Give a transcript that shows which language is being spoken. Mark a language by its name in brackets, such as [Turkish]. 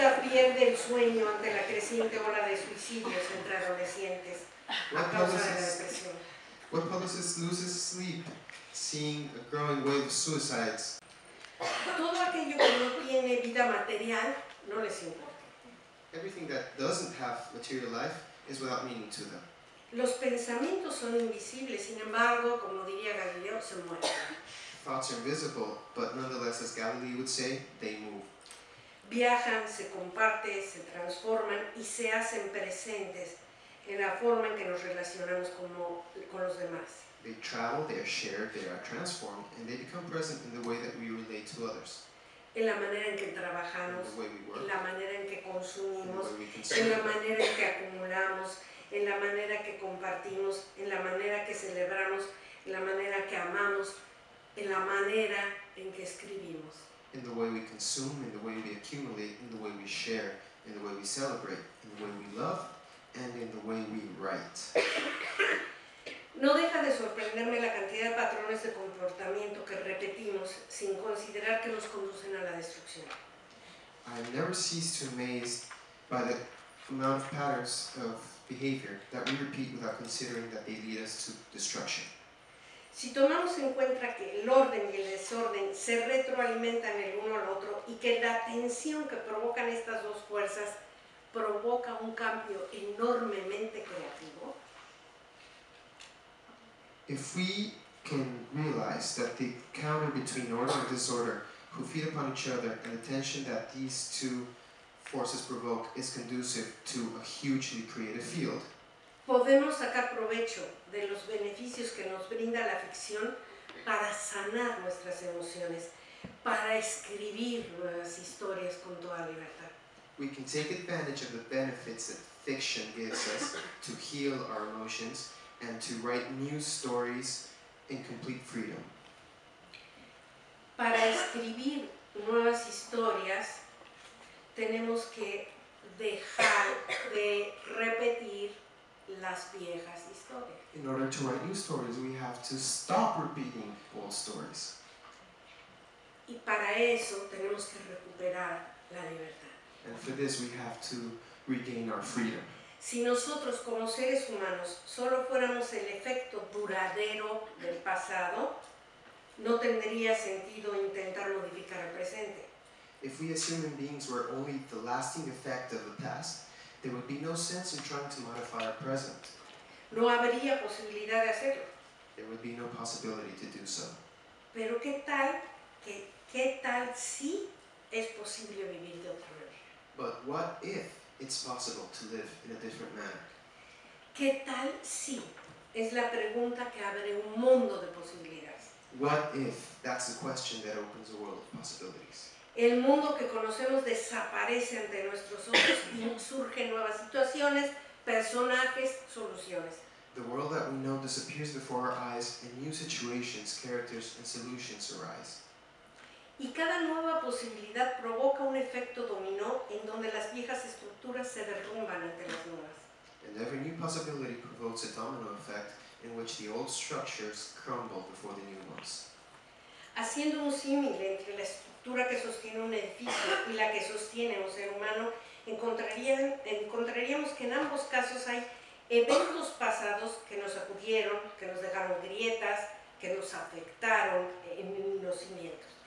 [Spanish] Pierde el sueño ante la creciente ola de suicidios entre adolescentes a causa de la depresión. [English] What publicist loses sleep seeing a growing wave of suicides? [Spanish] Todo aquello que no tiene vida material no les importa. [English] Everything that doesn't have material life is without meaning to them. [Spanish] Los pensamientos son invisibles, sin embargo, como diría Galileo, se mueven. [English] Thoughts are invisible, but nonetheless, as Galileo would say, they move. [Spanish] Viajan, se comparten, se transforman y se hacen presentes en la forma en que nos relacionamos con los demás. [English] They travel, they are shared, they are transformed, and they become present in the way that we relate to others. [Spanish] En la manera en que trabajamos, [English] work, [Spanish] en la manera en que consumimos, en la manera en que acumulamos, en la manera que compartimos, en la manera que celebramos, en la manera que amamos, en la manera en que escribimos. [English] In the way we consume, in the way we accumulate, in the way we share, in the way we celebrate, in the way we love, and in the way we write. [Spanish] No deja de sorprenderme la cantidad de patrones de comportamiento que repetimos sin considerar que nos conducen a la destrucción. [English] I never cease to amaze by the amount of patterns of behavior that we repeat without considering that they lead us to destruction. [Spanish] Si tomamos en cuenta que el orden y el desorden se retroalimentan el uno al otro y que la tensión que provocan estas dos fuerzas provoca un cambio enormemente creativo. [English] If we can realize that the counter between order and disorder who feed upon each other and the tension that these two forces provoke is conducive to a hugely creative field. [Spanish] Podemos sacar provecho de los beneficios que nos brinda la ficción para sanar nuestras emociones, para escribir nuestras historias con toda libertad. [English] We can take advantage of the benefits that fiction gives us to heal our emotions and to write new stories in complete freedom. [Spanish] Para escribir nuevas historias, tenemos que dejar de repetir las viejas historias. [English] In order to write new stories, we have to stop repeating old stories. [Spanish] Y para eso tenemos que recuperar la libertad. [English] And for this, we have to regain our freedom. [Spanish] Si nosotros como seres humanos solo fuéramos el efecto duradero del pasado, no tendría sentido intentar modificar el presente. [English] If we as human beings were only the lasting effect of the past, there would be no sense in trying to modify our present. [Spanish] No habría posibilidad de hacerlo. [English] There would be no possibility to do so. [Spanish] Pero qué tal si es posible vivir de otra manera? [English] But what if it's possible to live in a different manner? [Spanish] ¿Qué tal si? Es la pregunta que abre un mundo de posibilidades. [English] What if? That's the question that opens a world of possibilities. [Spanish] El mundo que conocemos desaparece ante nuestros ojos y surgen nuevas situaciones, personajes, soluciones. [English] The world that we know disappears before our eyes and new situations, characters, and solutions arise. [Spanish] Y cada nueva posibilidad provoca un efecto dominó en donde las viejas estructuras se derrumban ante las nuevas. [English] And every new possibility provokes a domino effect in which the old structures crumble before the new ones. [Spanish] Haciendo un símil entre la estructura que sostiene un edificio y la que sostiene un ser humano, encontraríamos que en ambos casos hay eventos pasados que nos sacudieron, que nos dejaron grietas, que nos afectaron en los cimientos.